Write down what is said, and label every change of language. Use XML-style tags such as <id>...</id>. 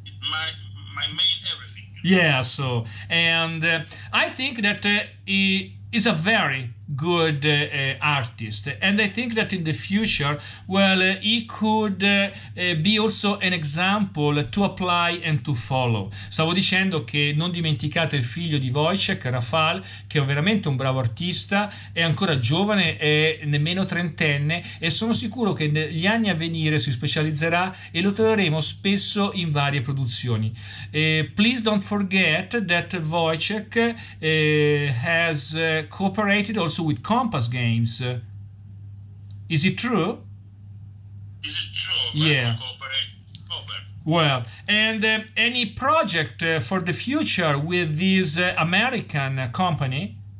<en>My main everything, Yeah, so, and I think that he is a very good artist, and I think that in the future, well, he could be also an example to apply and to follow.</en> <it>Stavo dicendo che non dimenticate il figlio di Wojciech, Rafal, che è veramente un bravo artista, è ancora giovane, è nemmeno trentenne, e sono sicuro che negli anni a venire si specializzerà e lo troveremo spesso in varie produzioni.</it> <en>Please don't forget that Wojciech has cooperated also with Compass Games. Is it true? this is true, we have Yeah. cooperated. Well, and any project for the future with this American company?</en>